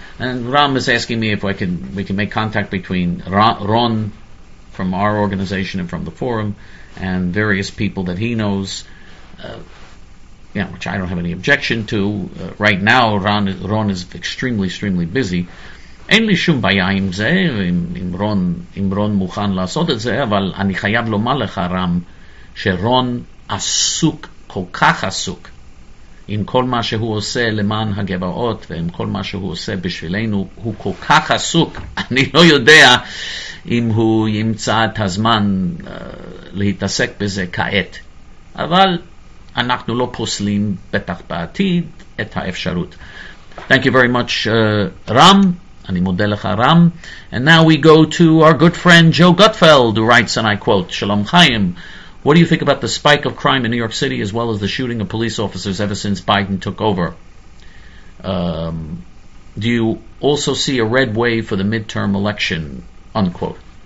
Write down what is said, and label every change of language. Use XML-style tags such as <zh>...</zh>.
<en>And Ram is asking me if we can make contact between Ron from our organization and from the forum and various people that he knows, which I don't have any objection to. Right now, Ron is extremely, extremely busy.</en> <he>Ain li shum baya im ze, im Ron mukhan lasot et ze, aval ani chayav lomar lecha, Ram, she Ron asuk, kol kach asuk, עם כל מה שהוא עושה למען הגבעות, ועם כל מה שהוא עושה בשבילנו, הוא כל כך עסוק, אני לא יודע אם הוא ימצא את הזמן להתעסק בזה כעת. אבל אנחנו לא פוסלים בטח בעתיד את האפשרות.</he> <en>Thank you very much, Ram.</en> <he>אני מודה לך,</he> <en>Ram. And now we go to our good friend Joe Gutfeld, who writes, and I quote, "Shalom Chaim. What do you think about the spike of crime in New York City as well as the shooting of police officers ever since Biden took over? Do you also see a red wave for the midterm election?" Unquote.</en>